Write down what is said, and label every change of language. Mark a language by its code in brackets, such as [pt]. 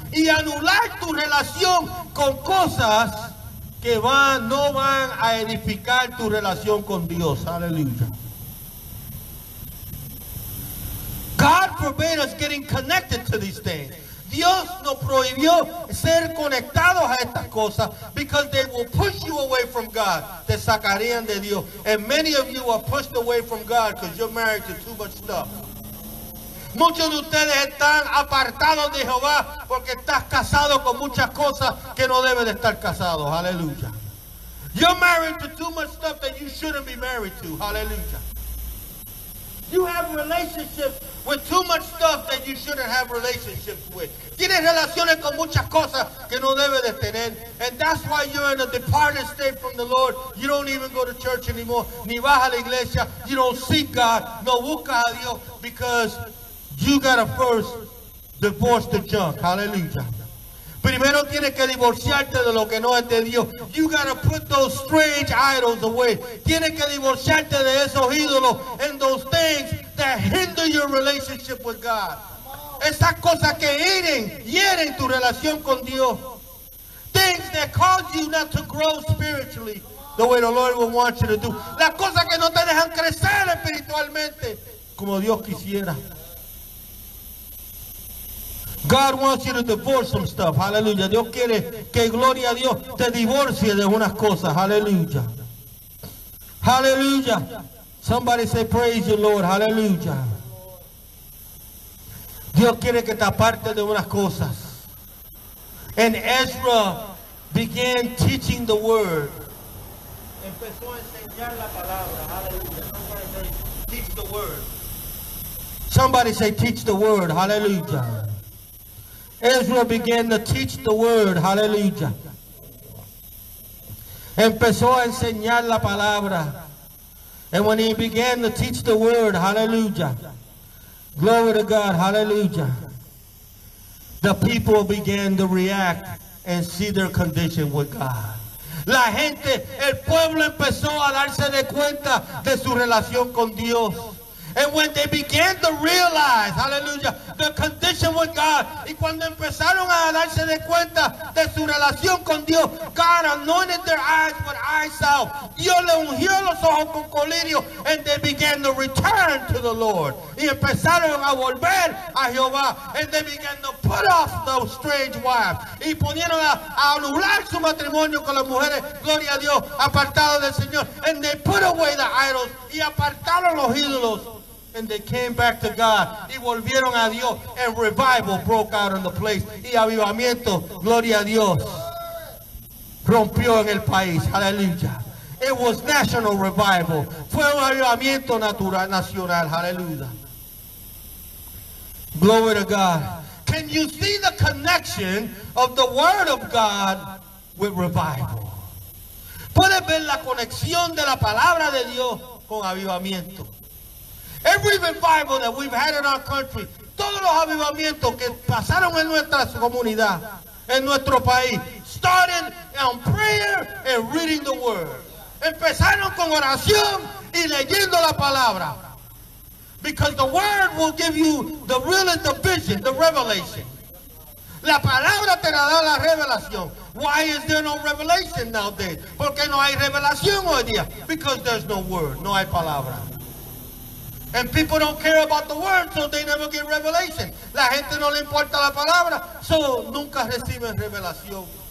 [es] Y anular tu relación con cosas que no van a edificar tu relación con Dios. Aleluya. [en] God forbid us getting connected to these things. [es] Dios nos prohibió ser conectados a estas cosas, [en] because they will push you away from God. [es] Te sacarían de Dios. [en] And many of you are pushed away from God because you're married to too much stuff. [es] Muchos de ustedes están apartados de Jehová porque estás casado con muchas cosas que no debes de estar casados. Aleluya. [en] You're married to too much stuff that you shouldn't be married to. Aleluya. You have relationships with too much stuff that you shouldn't have relationships with. [es] Tienes relaciones con muchas cosas que no debes de tener. [en] And that's why you're in a departed state from the Lord. You don't even go to church anymore. [es] Ni vas a la iglesia. [en] You don't seek God. [es] No buscas a Dios. [en] Because you gotta first divorce the junk. Hallelujah. [es] Primero tienes que divorciarte de lo que no es de Dios. [en] You gotta put those strange idols away. [es] Tienes que divorciarte de esos ídolos [en] and those things that hinder your relationship with God. [es] Esas cosas que hieren tu relación con Dios. [en] Things that cause you not to grow spiritually the way the Lord would want you to do. [es] Las cosas que no te dejan crecer espiritualmente como Dios quisiera. [en] God wants you to divorce some stuff. [es] Hallelujah. Dios quiere que, gloria a Dios, te divorcie de unas cosas. Hallelujah. [en] Hallelujah. Somebody say praise you, Lord. Hallelujah. [es] Dios quiere que te aparte de unas cosas. [en] And Ezra began teaching the word. [es] Empezó a enseñar la palabra. Hallelujah. [en] Teach the word. Somebody say teach the word. Hallelujah. Ezra began to teach the word. Hallelujah. [es] Empezó a enseñar la palabra. [en] And when he began to teach the word, hallelujah. Glory to God. Hallelujah. The people began to react and see their condition with God. [es] La gente, el pueblo empezó a darse de cuenta de su relación con Dios. [en] And when they began to realize, hallelujah, the condition with God, [es] y cuando empezaron a darse de cuenta de su relación con Dios, [en] God anointed their eyes with eyes out. [es] Dios le ungió los ojos con colirio, [en] and they began to return to the Lord. [es] Y empezaron a volver a Jehová, [en] and they began to put off those strange wives. [es] Y ponieron a anular su matrimonio con las mujeres, gloria a Dios, apartadas del Señor. [en] And they put away the idols, [es] y apartaron los ídolos. [en] And they came back to God. [es] Y volvieron a Dios. [en] And revival broke out in the place. [es] Y avivamiento, gloria a Dios, rompió en el país. Hallelujah. [en] It was national revival. [es] Fue un avivamiento natural, nacional. [en] Hallelujah. Glory to God. Can you see the connection of the word of God with revival? [es] ¿Puedes ver la conexión de la palabra de Dios con avivamiento? [en] Every revival that we've had in our country, [es] todos los avivamientos que pasaron en nuestra comunidad, en nuestro país, [en] started on prayer and reading the word. [es] Empezaron con oración y leyendo la palabra. [en] Because the word will give you the real and the vision, the revelation. [es] La palabra te da la revelación. [en] Why is there no revelation nowadays? [es] ¿Por qué no hay revelación hoy día? [en] Because there's no word, [es] no hay palabra. [en] And people don't care about the word, so they never get revelation. [es] La gente no le importa la palabra, so nunca reciben revelación.